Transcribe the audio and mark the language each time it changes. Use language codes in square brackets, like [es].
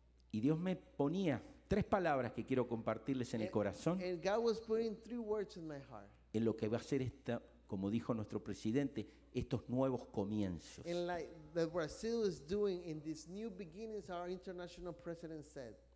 [es] Y Dios me ponía tres palabras que quiero compartirles en el corazón. [en] And God was putting three words in my heart. [es] En lo que va a ser esta, como dijo nuestro presidente, estos nuevos comienzos. [en] And like the Brazil is doing in these new beginnings, our international president said.